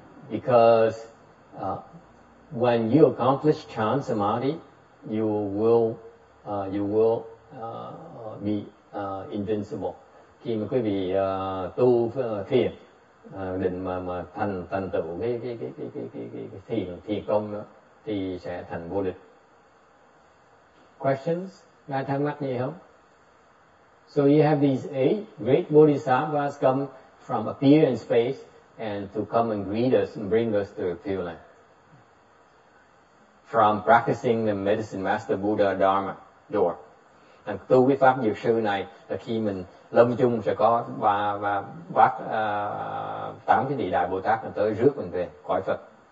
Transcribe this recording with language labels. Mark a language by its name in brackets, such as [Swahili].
[English] Because when you accomplish chan samadhi, you will be invincible. [Vietnamese] Khi mà quý vị tu thiền định mà thành tựu cái thiền công đó, thì sẽ thành vô địch. [English] Questions? [Vietnamese] Ngài thắc mắc gì không? [English] So you have these 8 great bodhisattvas come from appear in space and to come and greet us and bring us to Pure Land. From practicing the medicine master Buddha Dharma door. [Vietnamese] And tu với pháp dược sư này là khi mình lâm chung sẽ có ba bác 8 cái vị đại Bồ Tát tới rước mình về cõi Phật.